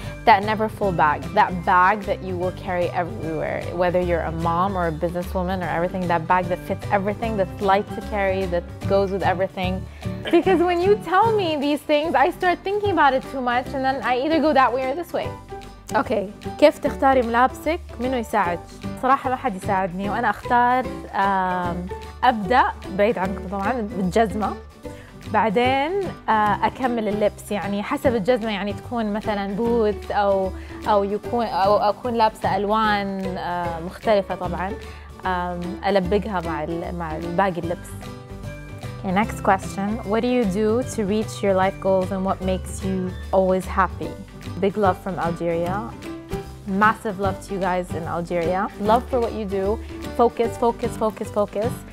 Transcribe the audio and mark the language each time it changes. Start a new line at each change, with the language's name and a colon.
English: That never full bag, that bag that you will carry everywhere, whether you're a mom or a businesswoman or everything, that bag that fits everything, that's light to carry, that goes with everything. Because when you tell me these things, I start thinking about it too much and then I either go that way or this way.
Arabic: Okay, كيف تختاري ملابسك؟ منو يساعد؟ صراحة ما حد يساعدني وأنا أختار أبدأ بعيد عنكم طبعاً بالجزمة بعدين أكمل اللبس يعني حسب الجزمة يعني تكون مثلاً بوت أو يكون أو أكون لابسة ألوان مختلفة طبعاً ألبقها مع باقي اللبس.
English: Okay, next question. What do you do to reach your life goals and what makes you always happy? Big love from Algeria. Massive love to you guys in Algeria. Love for what you do. Focus, focus, focus, focus.